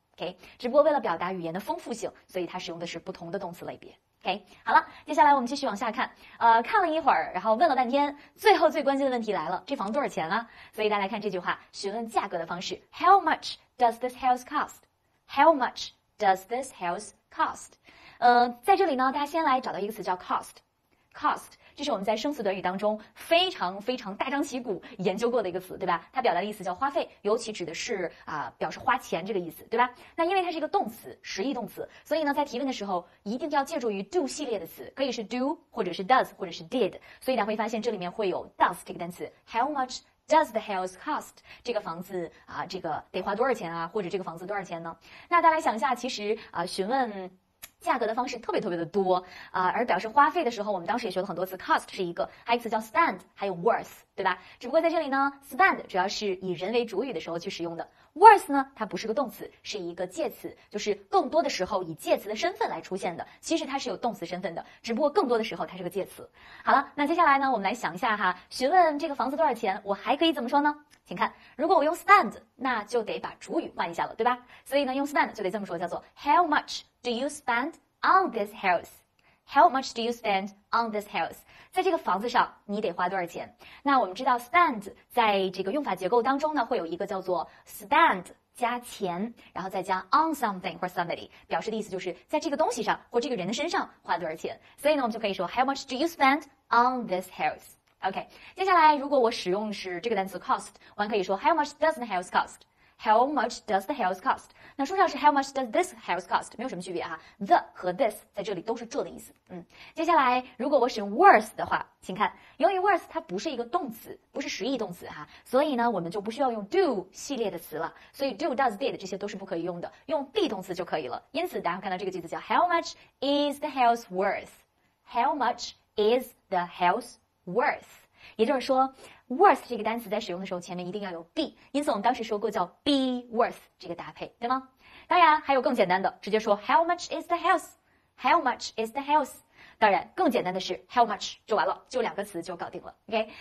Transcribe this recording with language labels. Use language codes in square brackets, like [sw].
[zh] OK, 只不过为了表达语言的丰富性，所以它使用的是不同的动词类别。 OK, 好了，接下来我们继续往下看。看了一会儿，然后问了半天，最后最关键的问题来了，这房多少钱啊？所以大家来看这句话，询问价格的方式 , [en] How much does this house cost? How much does this house cost? [zh] 在这里呢，大家先来找到一个词叫 cost。cost, 这是我们在生词短语当中非常非常大张旗鼓研究过的一个词，对吧？它表达的意思叫花费，尤其指的是表示花钱这个意思，对吧？那因为它是一个动词，实义动词，所以呢在提问的时候一定要借助于 do 系列的词，可以是 do, 或者是 does, 或者是 did, 所以大家会发现这里面会有 does 这个单词。 [en] How much does the house cost? [zh] 这个房子这个得花多少钱啊，或者这个房子多少钱呢？那大家想一下，其实询问价格的方式特别特别的多而表示花费的时候我们当时也学了很多词， cost 是一个，还有一个词叫 spend, 还有 worth, 对吧？只不过在这里呢 spend 主要是以人为主语的时候去使用的， worth 呢它不是个动词，是一个介词，就是更多的时候以介词的身份来出现的，其实它是有动词身份的，只不过更多的时候它是个介词。好了，那接下来呢我们来想一下哈，询问这个房子多少钱我还可以怎么说呢？请看，如果我用 spend 那就得把主语换一下了，对吧？所以呢用 spend 就得这么说，叫做 [en] how much do you spend on this house? How much do you spend on this house? [zh] 在这个房子上你得花多少钱？那我们知道 spend 在这个用法结构当中呢会有一个叫做 spend 加钱，然后再加 on something or somebody, 表示的意思就是在这个东西上或这个人的身上花多少钱，所以呢我们就可以说 [en] how much do you spend on this house? [zh] OK, 接下来如果我使用是这个单词 cost, 我还可以说 [en] How much does the house cost? How much does the house cost? [zh] 那书上是 [en] How much does this house cost? [zh] 没有什么区别哈。 The 和 this 在这里都是这的意思。接下来如果我使用 worth 的话，请看，由于 worth 它不是一个动词，不是实义动词哈，所以呢我们就不需要用 do 系列的词了。所以 do, does, did 这些都是不可以用的，用 be 动词就可以了。 [en] 因此大家看到这个句子叫 How much is the house worth? How much is the house worth? [zh] 也就是说 worth 这个单词在使用的时候前面一定要有 be， 因此我们当时说过叫 be worth 这个搭配，对吗？当然还有更简单的，直接说 [en] how much is the house， [zh] how much is the house， 当然更简单的是 how much 就完了，就两个词就搞定了， OK。